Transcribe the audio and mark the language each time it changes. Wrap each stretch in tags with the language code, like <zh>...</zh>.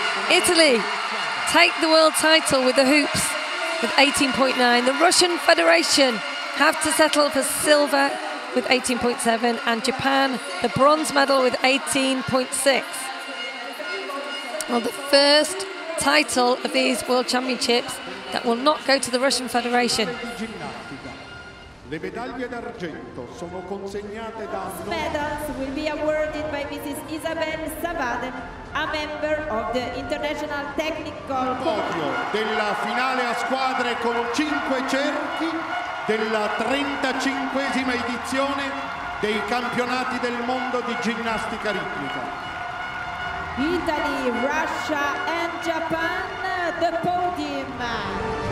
<en>Italy take the world title with the hoops with 18.9. The Russian Federation have to settle for silver with 18.7, and Japan the bronze medal with 18.6. Well, the first title of these world championships that will not go to the Russian Federation.</en> <it>Le medaglie d'argento sono consegnate da...</it> <en>Medals will be awarded by Mrs. Isabel Savade, a member of the International Technical</en> <it>Podium della finale a squadre con 5 cerchi della 35esima edizione dei campionati del mondo di ginnastica ritmica.</it> <en>Italy, Russia and Japan, the podium.</en>